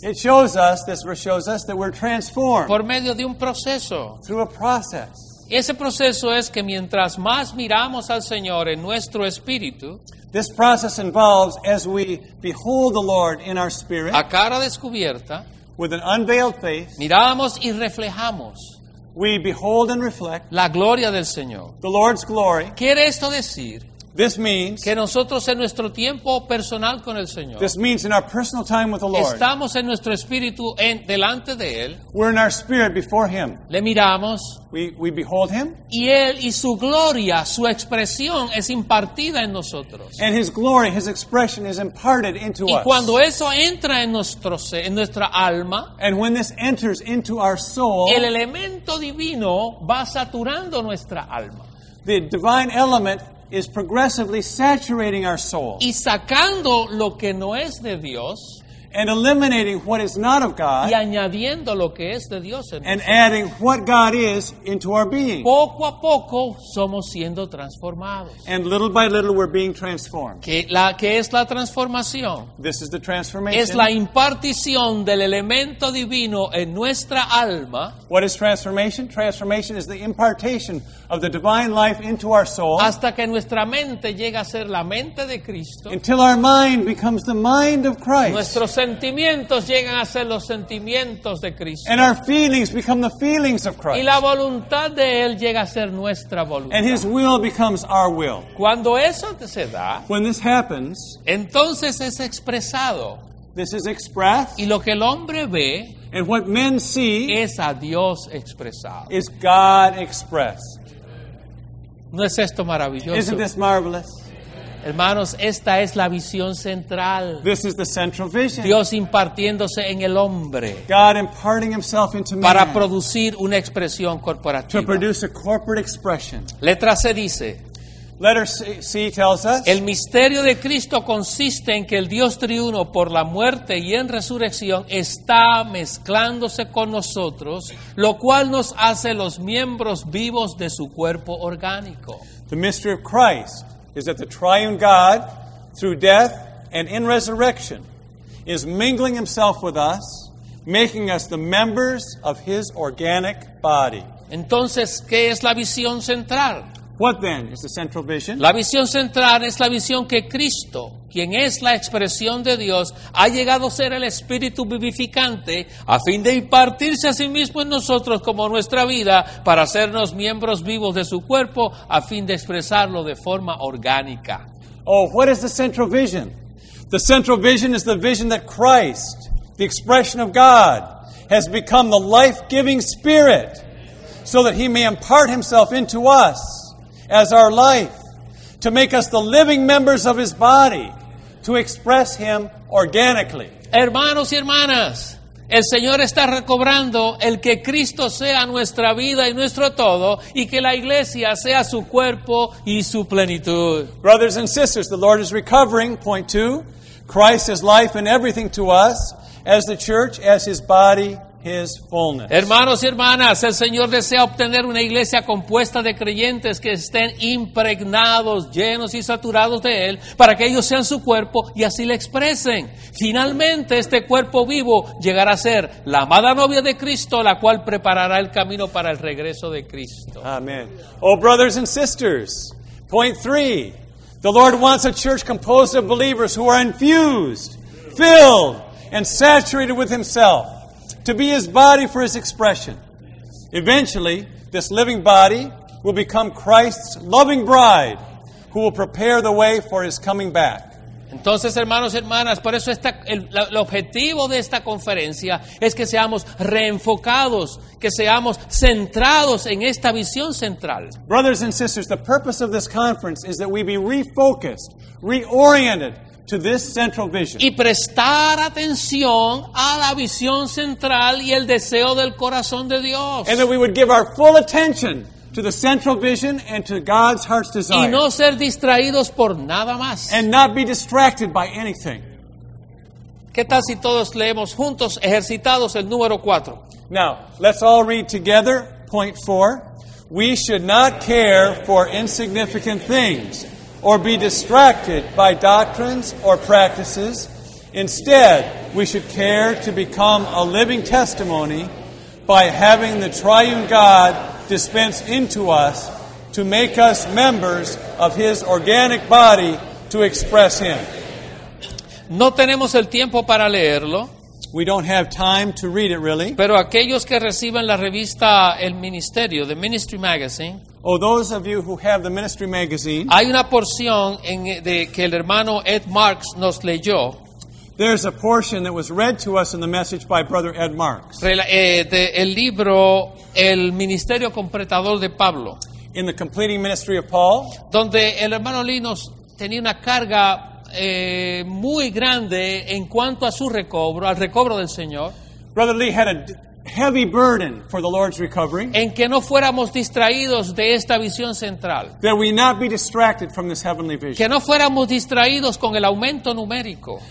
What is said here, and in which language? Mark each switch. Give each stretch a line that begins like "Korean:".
English: It shows us, this verse shows us, that we're transformed.
Spanish: Por medio de un proceso.
English: Through a process.
Spanish: Ese proceso es que mientras más miramos al Señor en nuestro espíritu,
English: this process involves as we behold the Lord in our spirit,
Spanish: a cara descubierta,
English: with an unveiled face,
Spanish: miramos y reflejamos,
English: we behold and reflect,
Spanish: la gloria del Señor,
English: the Lord's glory.
Spanish: ¿Quiere esto decir?
English: This means
Spanish: que nosotros en nuestro tiempo personal con el Señor,
English: this means in our personal time with the Lord,
Spanish: estamos en nuestro espíritu en delante de él,
English: we're in our spirit before him,
Spanish: le miramos,
English: we behold him,
Spanish: y él y su gloria, su expresión es impartida en nosotros,
English: and his glory, his expression is imparted into us,
Spanish: y cuando eso entra en nuestro ser, en nuestra alma,
English: and when this enters into our soul,
Spanish: el elemento divino va saturando nuestra alma,
English: the divine element is progressively saturating our soul.
Spanish: Y sacando lo que no es de Dios,
English: and eliminating what is not of God.
Spanish: Y añadiendo lo que es de Dios en
English: and
Spanish: nosotros.
English: Adding what God is into our being.
Spanish: Poco a poco somos siendo transformados.
English: And little by little we're being transformed.
Spanish: ¿Qué es la transformación?
English: This is the transformation.
Spanish: Es la impartición del elemento divino en nuestra alma.
English: What is transformation? Transformation is the impartation of the divine life into our soul.
Spanish: Hasta que nuestra mente llega a ser la mente de Cristo.
English: Until our mind becomes the mind of Christ.
Spanish: Los sentimientos llegan a ser los sentimientos de Cristo.
English: And our feelings become the feelings of Christ.
Spanish: Y la voluntad de él llega a ser nuestra voluntad.
English: And his will becomes our will.
Spanish: Cuando eso se da,
English: when this happens,
Spanish: entonces es expresado.
English: This is expressed.
Spanish: Y lo que el hombre ve,
English: and what men see,
Spanish: es a Dios expresado.
English: Is God expressed.
Spanish: ¿No es esto maravilloso?
English: Isn't this marvelous?
Spanish: Hermanos, esta es la visión central.
English: This is the central vision.
Spanish: Dios impartiéndose en el hombre.
English: God imparting himself into man.
Spanish: Para producir una expresión corporativa.
English: To produce a corporate expression.
Spanish: Letra C dice.
English: Letter C tells us.
Spanish: El misterio de Cristo consiste en que el Dios triuno por la muerte y en resurrección está mezclándose con nosotros, lo cual nos hace los miembros vivos de su cuerpo orgánico.
English: The mystery of Christ is that the triune God, through death and in resurrection, is mingling himself with us, making us the members of his organic body.
Spanish: Entonces, ¿qué es la visión central?
English: What then is the central vision?
Spanish: La visión central es la visión que Cristo, quien es la expresión de Dios, ha llegado a ser el Espíritu vivificante a fin de impartirse a sí mismo en nosotros como nuestra vida para hacernos miembros vivos de su cuerpo a fin de expresarlo de forma orgánica.
English: Oh, what is the central vision? The central vision is the vision that Christ, the expression of God, has become the life-giving Spirit so that He may impart Himself into us as our life, to make us the living members of His body, to express Him organically.
Spanish: Hermanos y hermanas, el Señor está recobrando el que Cristo sea nuestra vida y nuestro todo, y que la iglesia sea su cuerpo y su plenitud.
English: Brothers and sisters, the Lord is recovering, point two, Christ is life and everything to us, as the church, as His body, His fullness.
Spanish: Hermanos y hermanas, el Señor desea obtener una iglesia compuesta de creyentes que estén impregnados, llenos y saturados de Él, para que ellos sean su cuerpo y así le expresen. Finalmente, este cuerpo vivo llegará a ser la amada novia de Cristo, la cual preparará el camino para el regreso de Cristo.
English: Amen. Oh, brothers and sisters, point three, the Lord wants a church composed of believers who are infused, filled, and saturated with Himself, to be His body for His expression. Eventually, this living body will become Christ's loving bride who will prepare the way for His coming back.
Spanish: Entonces, hermanos y hermanas, por eso el objetivo de esta conferencia es que seamos reenfocados, que seamos centrados en esta visión central.
English: Brothers and sisters, the purpose of this conference is that we be refocused, reoriented, to this central vision.
Spanish: Y prestar atención a la visión central y el deseo del corazón de Dios.
English: And that we would give our full attention to the central vision and to God's heart's desire.
Spanish: Y no ser distraídos por nada más.
English: And not be distracted by anything.
Spanish: ¿Qué tal si todos leemos juntos, ejercitados, el número 4?
English: Now, let's all read together, point 4. We should not care for insignificant things, or be distracted by doctrines or practices. Instead, we should care to become a living testimony by having the triune God dispense into us to make us members of His organic body to express Him.
Spanish: No tenemos el tiempo para leerlo.
English: We don't have time to read it, really.
Spanish: Pero aquellos que reciben la revista El Ministerio, The Ministry Magazine,
English: oh, those of you who have the Ministry Magazine.
Spanish: Hay una porción que el hermano Ed Marks nos leyó.
English: There's a portion that was read to us in the message by Brother Ed Marks.
Spanish: El libro El Ministerio Completador de Pablo.
English: In the Completing Ministry of Paul.
Spanish: Donde el hermano Lee nos tenía una carga muy grande en cuanto a su recobro, al recobro del Señor.
English: Brother Lee had a heavy burden for the Lord's recovery.
Spanish: En que no fuéramos distraídos de esta visión central.
English: That we not be distracted from this heavenly vision.
Spanish: Que no fuéramos distraídos con el aumento numérico.